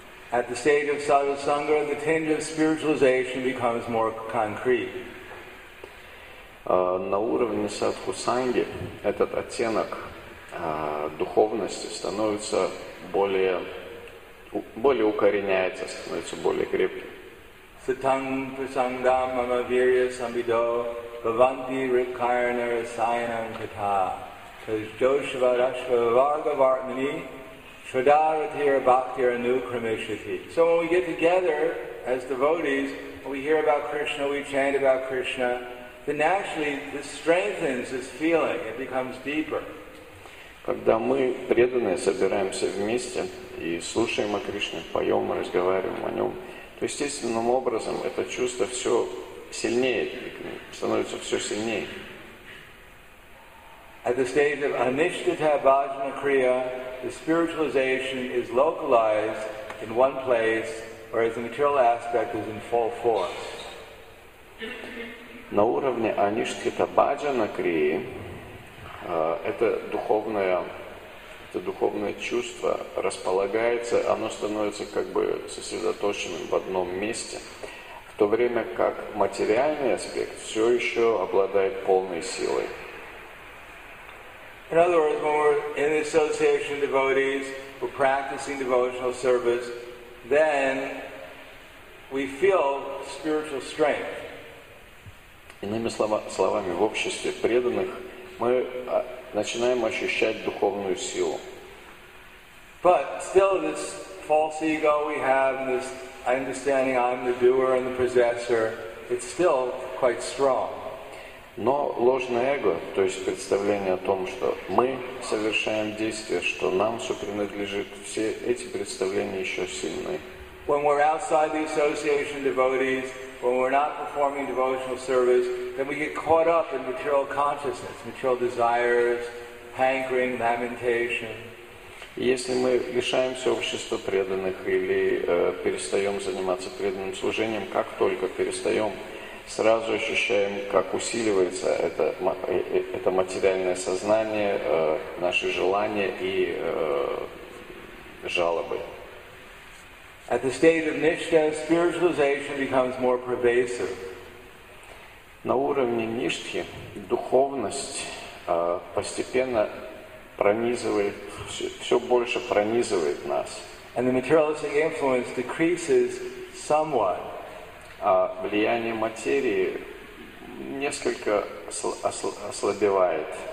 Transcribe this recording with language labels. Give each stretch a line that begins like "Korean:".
English: At the stage of sadhusanga, the tinge of spiritualization becomes more concrete.
Russian: На уровне садху-санги этот оттенок духовности становится более укореняется, становится более крепким.
Sanskrit: Satang prasangam mama virya sambido bhavanti rikkarana rasayanam katha tajoshva rashva varga vartmani Shradharathira Bhaktira Nukramishati.
English: So when we get together as devotees, when we hear about Krishna, we chant about Krishna, then naturally this strengthens this feeling, it becomes deeper.
Russian: Когда мы, преданные, собираемся вместе и слушаем о Кришне, поем, разговариваем о нем, то естественным образом это чувство все сильнее, становится все сильнее.
English: At the stage of Anishtita Bhajana Kriya, the spiritualization is localized in one place, whereas the material aspect is in full force.
Russian: На уровне Анишхита Баджана Крии это духовное чувство располагается, оно становится как бы сосредоточенным в одном месте, в то время как материальный аспект все еще обладает полной силой.
English: In other words, when we're in the association of devotees, we're practicing devotional service, then we feel spiritual strength.
Russian: Иными словами, в обществе преданных мы начинаем ощущать духовную силу.
English: But still this false ego we have, this understanding I'm the doer and the possessor, it's still quite strong.
Russian: Но ложное эго, то есть представление о том, что мы совершаем действия, что нам все принадлежит, все эти представления еще сильны.
English: When we're outside the association of devotees, when we're not performing devotional service, then we get caught up in material consciousness, material desires, hankering, lamentation.
Russian: Если мы лишаемся общества преданных или перестаем заниматься преданным служением, как только перестаем, сразу ощущаем, как усиливается это материальное сознание, наши желания и жалобы.
English: At the stage of nishtha, spiritualization becomes more pervasive.
Russian: На уровне ништхи духовность постепенно пронизывает, все больше пронизывает нас.
English: And the materialistic influence decreases somewhat.
Russian: влияние материи несколько ослабевает.